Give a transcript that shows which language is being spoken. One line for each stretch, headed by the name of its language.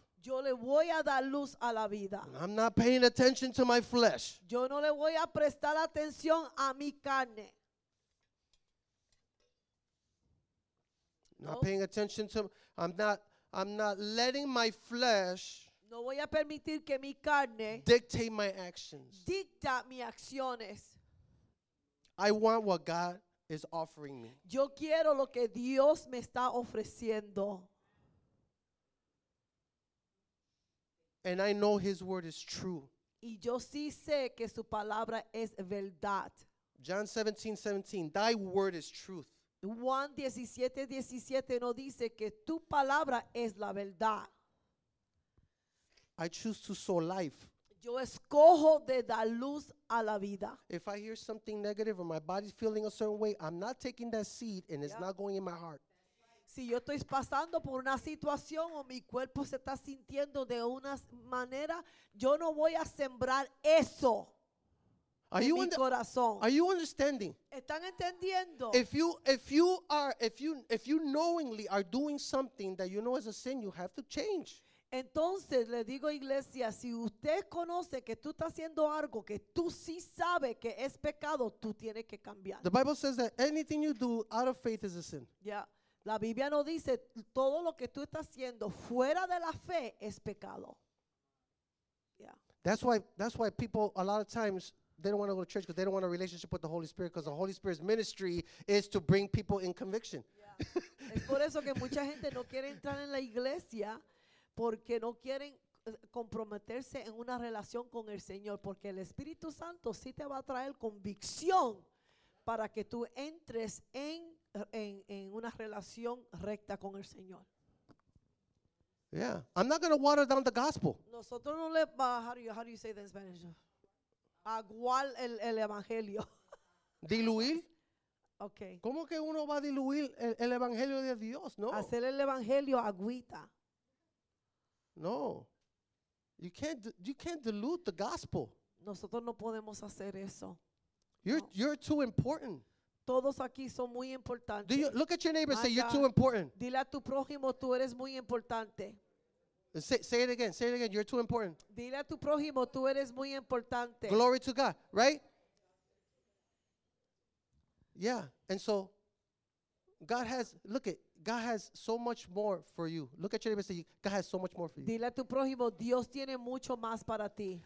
Spanish: Yo le voy a dar luz a la vida.
English: And I'm not paying attention to my flesh.
Spanish: Yo no le voy a prestar atención a mi carne.
English: Not paying attention to, I'm not letting my flesh
Spanish: no voy a permitir que mi carne
English: dictate my actions.
Spanish: Dicta mis acciones.
English: I want what God is offering me.
Spanish: Yo quiero lo que Dios me está ofreciendo.
English: And I know his word is true.
Spanish: Y yo sí sé que su palabra es verdad.
English: John 17:17, thy word is truth.
Spanish: Juan 17:17 nos dice que tu palabra es la verdad.
English: I choose to sow life.
Spanish: Yo escojo de dar luz a la vida.
English: If I hear something negative or my body's feeling a certain way, I'm not taking that seed and it's not going in my heart.
Spanish: Si yo estoy pasando por una situación o mi cuerpo se está sintiendo de una manera, yo no voy a sembrar eso.
English: Are you in the, are you understanding?
Spanish: ¿Están entendiendo?
English: If you knowingly are doing something that you know is a sin, you have to change.
Spanish: Entonces le digo, iglesia, si usted conoce que tú estás haciendo algo que tú sí sabes que es pecado, tú tienes que cambiar.
English: The Bible says that anything you do out of faith is a sin. Yeah.
Spanish: La Biblia nos dice todo lo que tú estás haciendo fuera de la fe es pecado.
English: Yeah. That's why people a lot of times they don't want to go to church because they don't want a relationship with the Holy Spirit, because the Holy Spirit's ministry is to bring people in conviction.
Spanish: Es por eso que mucha gente no quiere entrar en la iglesia porque no quieren comprometerse en una relación con el Señor, porque el Espíritu Santo sí te va a traer convicción para que tú entres en una relación recta con el Señor.
English: Yeah, I'm not going to water down the gospel.
Spanish: Nosotros no le
English: how do you say that in Spanish?
Spanish: Aguar el evangelio. Diluir.
English: Okay.
Spanish: ¿Cómo que uno va a diluir el evangelio de Dios? No. Hacer el evangelio agüita.
English: No. You can't dilute the gospel.
Spanish: Nosotros no podemos hacer eso.
English: You're too important.
Spanish: Todos aquí son muy importantes.
English: Look at your neighbor and say, you're too important.
Spanish: Dile a tu prójimo, tú eres muy importante.
English: Say it again. You're too important.
Spanish: Dile a tu prójimo, tú eres muy importante.
English: Glory to God, right? Yeah. And so, God has so much more for you. Look at your neighbor and say, God has so much more for you.
Spanish: Dile a tu prójimo, Dios tiene mucho más para ti.